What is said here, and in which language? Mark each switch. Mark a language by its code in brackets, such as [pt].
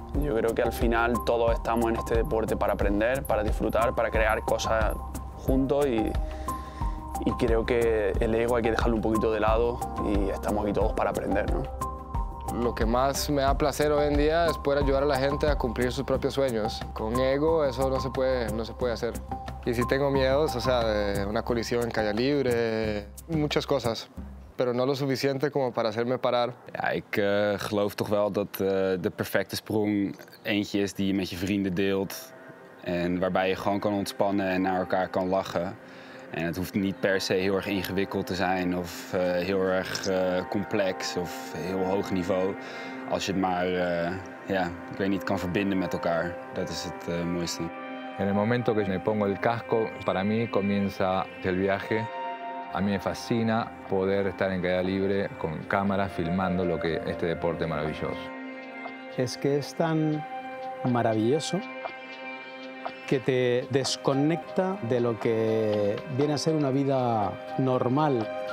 [es] Yo creo que al final todos estamos en este deporte para aprender, para disfrutar, para crear cosas juntos y creo que el ego hay que dejarlo un poquito de lado y estamos aquí todos para aprender, ¿no? Lo que más me da placer hoy en día es poder ayudar a la gente a cumplir sus propios sueños. Con ego eso no se puede hacer. Y sí tengo miedos, o sea, de una colisión en calle libre, muchas cosas. Pero no lo suficiente como para hacerme parar. [nl] Ja, ik geloof toch wel dat de perfecte sprong eentje is die je met je vrienden deelt. En waarbij je gewoon kan ontspannen en naar elkaar kan lachen. En het hoeft niet per se heel erg ingewikkeld te zijn of heel erg complex of heel hoog niveau. Als je het maar, ik weet niet, kan verbinden met elkaar. Dat is het mooiste. [es] En el momento que me pongo el casco, para mí comienza el viaje. A mí me fascina poder estar en caída libre con cámara filmando lo que este deporte maravilloso. Es que es tan maravilloso que te desconecta de lo que viene a ser una vida normal.